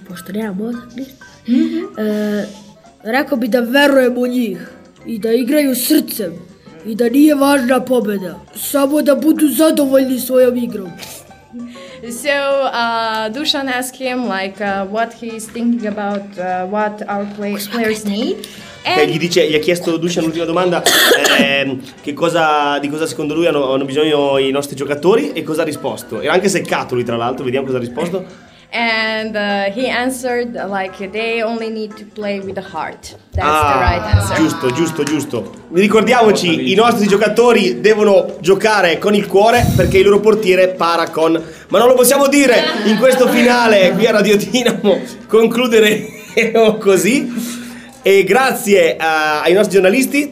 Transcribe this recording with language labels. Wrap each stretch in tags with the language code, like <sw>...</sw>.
<sr>Pošto nemam odakle. Rekao bi da verujem u njih i da igraju srcem i da nije važna pobjeda, samo da budu zadovoljni svojom igrom.</sr> <en>So, Dušan asked him like what he's thinking about what our players need.</en> <it>Gli dice, gli ha chiesto Dušan l'ultima domanda, che cosa, di cosa secondo lui hanno bisogno i nostri giocatori, e cosa ha risposto. Era anche seccato lui, tra l'altro, vediamo cosa ha risposto.</it> <en>And he answered like they only need to play with the heart. That's the right answer.</en> <it>Giusto, giusto, giusto. Ricordiamoci, i nostri giocatori devono giocare con il cuore, perché il loro portiere para con... Ma non lo possiamo dire in questo finale qui a Radio Dinamo. Concludere così. E grazie ai nostri giornalisti.</it>